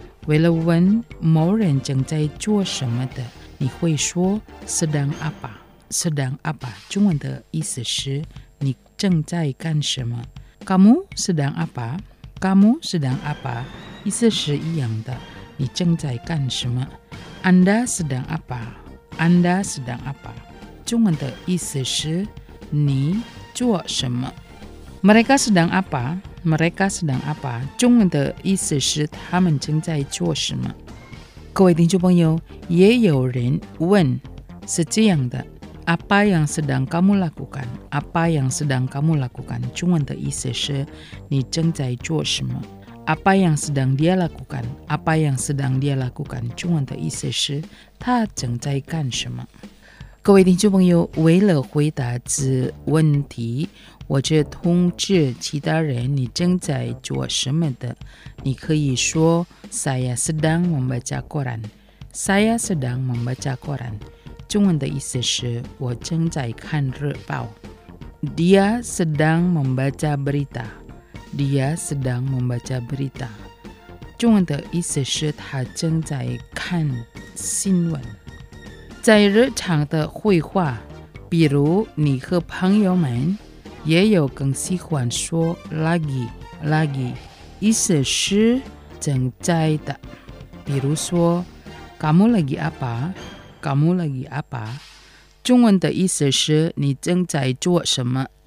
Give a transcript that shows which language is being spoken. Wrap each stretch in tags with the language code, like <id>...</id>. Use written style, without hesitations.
<zh>为了问某人正在做什么的，你会说</zh> <id>sedang apa， sedang apa</id> <zh>中文的意思是你正在干什么。</zh> <id>Kamu sedang apa， kamu sedang apa</id> <zh>意思是一样的，你正在干什么。</zh> <id>Anda sedang apa， anda sedang apa</id> <zh>中文的意思是你做什么。</zh> <id>Mereka sedang apaMereka sedang apa?</id> <zh>中文的意思是他们正在做什么。各位听众朋友，也有人问是这样的，</zh> <id>apa yang sedang kamu lakukan? apa yang sedang kamu lakukan?</id> <zh>中文的意思是你正在做什么。</zh> <id>apa yang sedang dia lakukan? apa yang sedang dia lakukan?</id> <zh>中文的意思是他正在干什么。各位听众朋友，为了回答此问题，我这通知其他人你正在做什么的，你可以说</zh> <id>Saya sedang membaca koran，</id> <zh>Saya sedang membaca koran 中文的意思是我正在看日报。</zh> <id>Dia sedang membaca berita， Dia sedang membaca berita</id> <zh>中文的意思是他正在看新闻。在日常的绘画，比如你和朋友们，也有更喜欢说</zh> <id>lagi lagi，</id> <zh>意思是正在的。比如说</zh> <id>kamu lagi apa， kamu lagi apa，</id> <zh>中文的意思是你正在做什么。</zh>